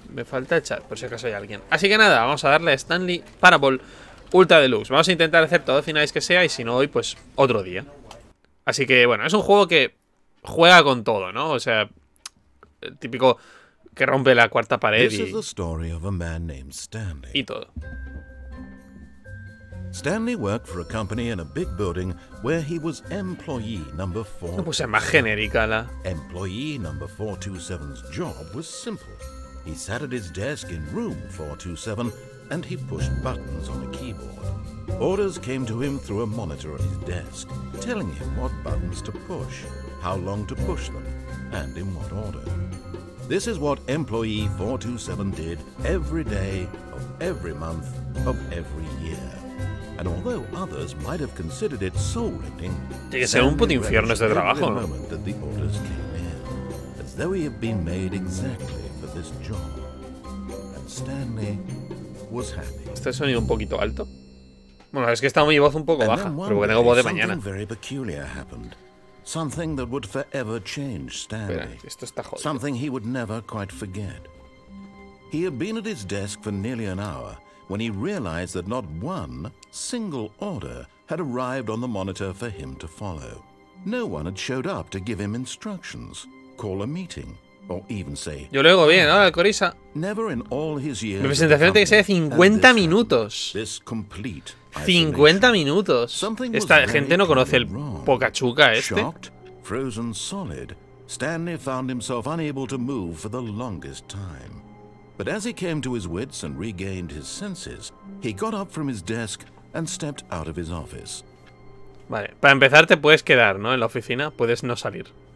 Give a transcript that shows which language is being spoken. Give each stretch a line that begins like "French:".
Spanish: Me falta el chat, por si acaso hay alguien. Así que nada, vamos a darle a Stanley Parable Ultra Deluxe. Vamos a intentar hacer todos los finales que sea, y si no hoy, pues otro día. Así que, bueno, es un juego que juega con todo, ¿no? O sea, el típico que rompe la cuarta pared y...
English: This is the story of a man named Stanley.
Spanish: Y todo.
English: Stanley worked for a company in a big building where he was employee number 427.
Spanish: No puse más genérica la.
English: Employee number 427's job was simple. He sat at his desk in room 427 and he pushed buttons on a keyboard. Orders came to him through a monitor on his desk, telling him what buttons to push, how long to push them, and in what order. This is what employee 427 did every day of every month of every year. And although others might have considered it soul-wrenching, the orders came in, as though he had been made exactly for this job. And Stanley was happy.
Spanish: Este sonido un poquito alto. Bueno, es que está mi voz un poco baja, pero tengo voz de mañana.
English: Something very peculiar happened. Something that would forever change Stanley.
Spanish: Espera, esto está jodido.
English: Something he would never quite forget. He had been at his desk for nearly an hour when he realized that not one single order had arrived on the monitor for him to follow. No one had showed up to give him instructions, call a meeting, or even say...
Spanish: Yo lo oigo bien, ¿no? Corisa.
English: Never in all his years...
Spanish: Mi presentación tiene que ser de 50 minutos.
English: This complete
Spanish: 50 minutos. Esta gente no conoce el Pocachuca este.
English: Shocked, frozen solid, Stanley found himself unable to move for the longest time. But as he came to his wits and regained his senses, he got up from his desk and stepped out of his office.
Spanish: Vale, para empezar te puedes quedar, ¿no? En la oficina, puedes no salir.